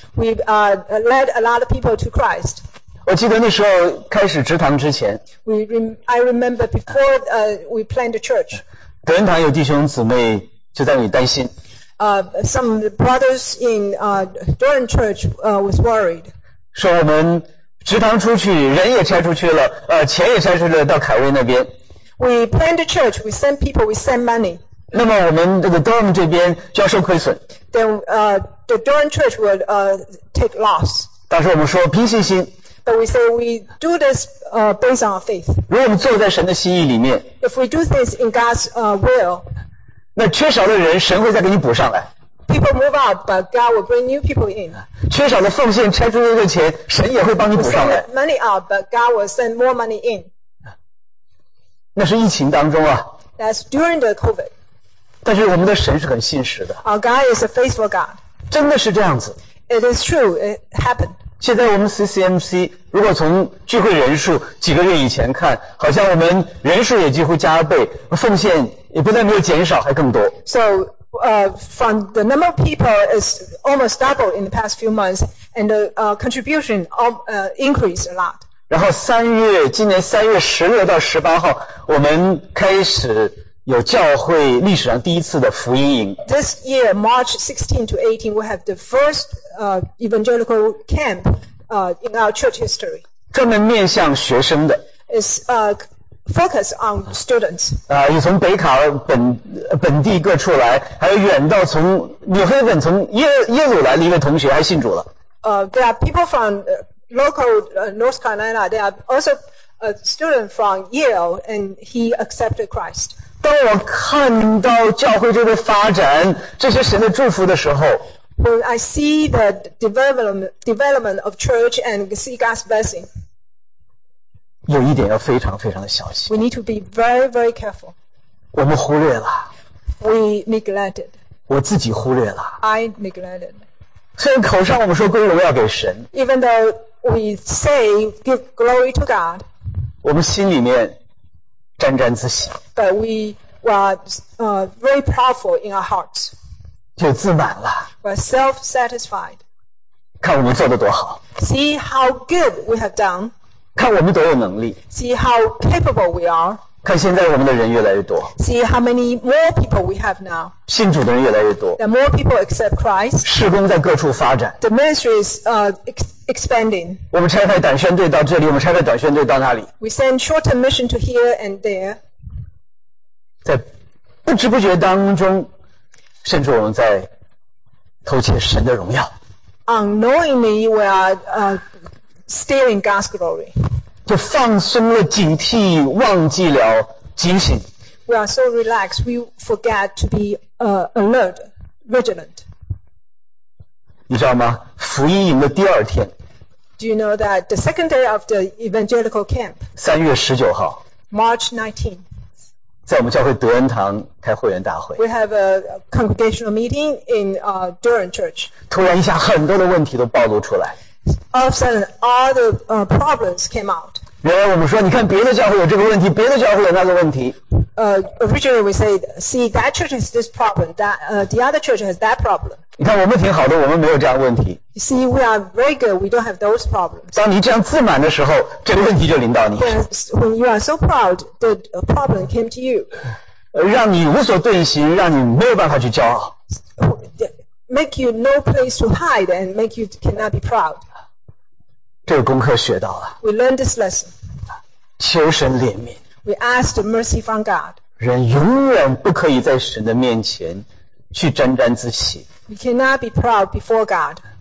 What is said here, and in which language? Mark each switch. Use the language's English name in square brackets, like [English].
[English] We led a lot of people to Christ. [Chinese] 我记得那时候开始职堂之前。 [English] I remember before we planned the church. [Chinese] 德恩堂有弟兄姊妹就在那里担心。 [English] Some brothers in Durham Church was worried. [Chinese] 说我们职堂出去，人也拆出去了，钱也拆出去了，到凯威那边。 [English] We planned a church. We send people. We send money. [Chinese] 那么我们这个 Durham 这边就要受亏损。 [English] Then the Durham Church would take loss. [Chinese] 当时我们说凭信心。 [English] But we say we do this based on our faith. [Chinese] 如果我们做在神的心意里面。 [English] If we do this in God's will. [Chinese] 那缺少的人神会再给你补上来。 [English] People move out, but God will bring new people in. [Chinese] 缺少的奉献拆出去的钱神也会帮你补上来。 [English] We'll send money out, but God will send more money in. [Chinese] 那是疫情当中啊。 [English] That's during the COVID. [Chinese] 但是我们的神是很信实的。 [English] Our God is a faithful God. [Chinese] 真的是这样子。 [English] It is true, it happened. [Chinese] 现在我们 CCMC, 如果从聚会人数几个月以前看，好像我们人数也几乎加倍，奉献也不但没有减少，还更多。 [English] So, from the number of people is almost double in the past few months, and the contribution increased a lot. [Chinese] 然后三月，今年三月16-18号，我们开始有教会历史上第一次的福音营。 [English] This year, March 16-18, we have the first evangelical camp in our church history. [Chinese] 专门面向学生的。 [English] Is focus on students. [Chinese] 有从北卡本地各处来，还有远到从纽黑本从耶鲁来的一个同学还信主了。 [English] There are people from local North Carolina. There are also a student from Yale, and he accepted Christ. [Chinese] 当我看到教会这个发展，这些神的祝福的时候。 [English] When I see the development of church and see God's blessing. [Chinese] 有一点要非常非常的小心。 [English] We need to be very, very careful. [Chinese] 我们忽略了。 [English] We neglected. [Chinese] 我自己忽略了。 [English] I neglected. [Chinese] 虽然口上我们说归荣耀给神。 [English] Even though we say give glory to God. [Chinese] 我们心里面沾沾自喜。 [English] But we were very powerful in our hearts. [Chinese] 就自满了。 [English] We're self-satisfied. [Chinese] 看我们做得多好。 [English] See how good we have done. [Chinese] 看我们多有能力。 [English] See how capable we are. [Chinese] 看现在我们的人越来越多。 [English] See how many more people we have now. [Chinese] 信主的人越来越多。 [English] The more people accept Christ. [Chinese] 事工在各处发展。 [English] The ministry is expanding. [Chinese] 我们拆派短宣队到这里，我们拆派短宣队到那里。 [English] We send short-term mission to here and there. [Chinese] 在不知不觉当中，甚至我们在偷窃神的荣耀。 [English] Unknowingly, we are stealing God's glory. [Chinese] 就放松了警惕，忘记了警醒。 [English] We are so relaxed, we forget to be alert, vigilant. [Chinese] 你知道吗？福音营的第二天。 [English] Do you know that the second day of the evangelical camp? [Chinese] 3月19号。 [English] March 19th. [Chinese] 在我们教会德恩堂开会员大会。 [English] We have a congregational meeting in Durham Church. [Chinese] 突然一下，很多的问题都暴露出来。 [English] All of a sudden, all the problems came out. [Chinese] 原来我们说，你看别的教会有这个问题，别的教会有那个问题。 [English] Originally we said, see that church has this problem, that the other church has that problem. [Chinese] 你看我们挺好的，我们没有这样问题。 [English] You see, we are very good. We don't have those problems. [Chinese] 当你这样自满的时候，这个问题就临到你。 [English] When you are so proud, the problem came to you. [Chinese] 让你无所遁形，让你没有办法去骄傲。 [English] Make you no place to hide and make you cannot be proud. [Chinese] 这个功课学到了。 [English] We learned this lesson. [Chinese] 求神怜悯。 [English] We asked mercy from God. [Chinese] 人永远不可以在神的面前去沾沾自喜。 [English] We cannot be proud before God.